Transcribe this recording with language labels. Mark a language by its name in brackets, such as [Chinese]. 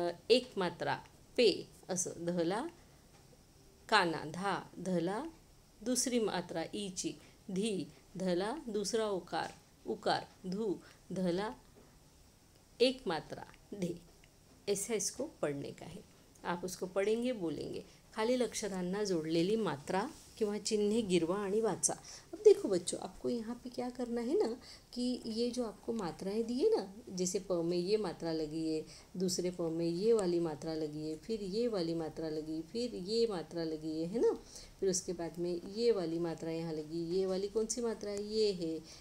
[Hindi] एक मात्रा पे, [Marathi] असं ध ला काना धा, ध ला दूसरी मात्रा ई ची धी, धला दूसरा उकार उकार धू, धला एक मात्रा धे, [Hindi] ऐसा इसको पढ़ने का है। आप उसको पढ़ेंगे बोलेंगे, [Marathi] खाली अक्षरांना जोड़लेली मात्रा किंवा चिन्हे गिरवा आणि वाचा। [Hindi] अब देखो बच्चों, आपको यहाँ पे क्या करना है ना, कि ये जो आपको मात्राएं दी है ना, जैसे प में ये मात्रा लगी है, दूसरे प में ये वाली मात्रा लगी है, फिर ये वाली मात्रा लगी, फिर ये मात्रा लगी है ना, फिर उसके बाद में ये वाली मात्रा यहाँ लगी, ये वाली कौन सी मात्रा है, ये है।